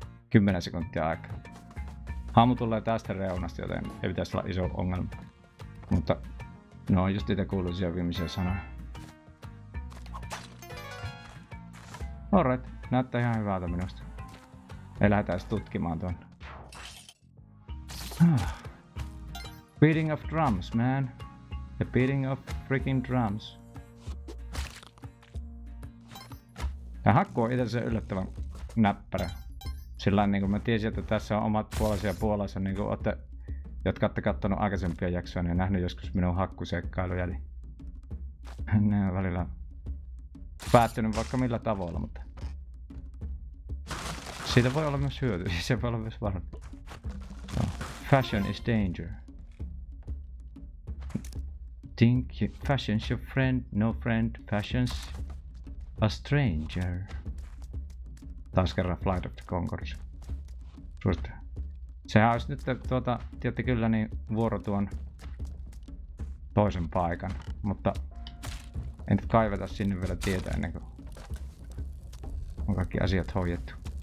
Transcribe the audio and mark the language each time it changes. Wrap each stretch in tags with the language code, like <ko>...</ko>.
<fi>10 sekuntia aikaa. Haamu tulee tästä reunasta, joten ei pitäisi olla iso ongelma. Mutta no on just niitä kuuluisia viimeisiä sanoja. Alright, näyttää ihan hyvältä minusta. Ei lähdetä edes tutkimaan tuon.</fi> <en>Beating of drums, man. The beating of freaking drums.</en> <fi>Tämä hakku on itse yllättävän näppärä. Sillä niin kuin mä tiesin, että tässä on omat puolensa ja puolensa, niin kuin olette, jotka olette katsonut aikaisempia jaksoja, niin nähnyt joskus minun hakkuseikkailuja. Eli ne on välillä päättynyt vaikka millä tavoilla, mutta siitä voi olla myös hyöty, se voi olla myös varma.</fi> <en>No. Fashion is danger. Think you... Fashion's your friend, no friend, fashion's a stranger.</en> <fi>Taas kerran Flight of the Conchords. Suosittaa. Sehän olisi nyt tiedätte kyllä niin vuoro tuon toisen paikan, mutta en nyt kaiveta sinne vielä tietä ennen kuin on kaikki asiat hoidettu.</fi>